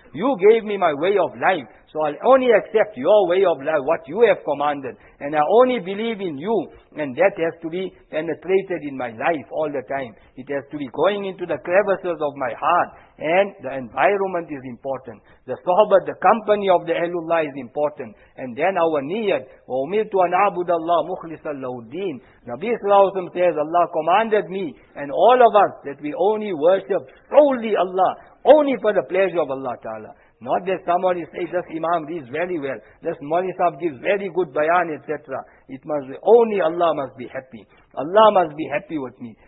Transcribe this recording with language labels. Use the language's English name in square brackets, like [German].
[English] You gave me my way of life. So I'll only accept your way of life, what you have commanded. And I only believe in you. And that has to be penetrated in my life all the time. It has to be going into the crevices of my heart. And the environment is important. The sohbat, the company of the Ahlullah is important. And then our niyat, [Arabic] وَأُمِرْتُ أَنْ عَبُدَ اللَّهُ مُخْلِصًا لَهُ الدِّينَ. [English] Nabi Sallallahu Alaihi Wasallam says, Allah commanded me and all of us that we only worship solely Allah, only for the pleasure of Allah Ta'ala. Not that somebody says, this imam reads very well, this Mawlisab gives very good bayan, etc. It must be, only Allah must be happy. Allah must be happy with me.